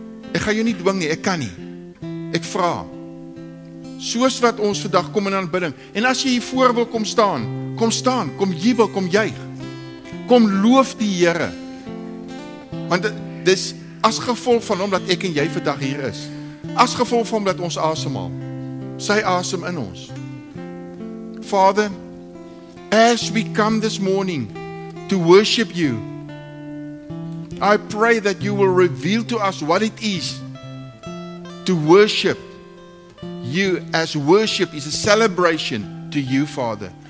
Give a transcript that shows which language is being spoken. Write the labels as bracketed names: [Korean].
[Afrikaans] Ek gaan jou nie dwing nie, ek kan nie. Ek vra, soos wat ons vandag kom in aanbidding, en as jy hiervoor wil kom staan, kom staan, kom jubel, kom juig, kom loof die Here. Want dis as gevolg van hom dat ek en jy vandag hier is. As gevolg van hom dat ons asemhaal. Sy asem in ons. [English] Father, as we come this morning to worship you, I pray that you will reveal to us what it is to worship you, as worship is a celebration to you, Father.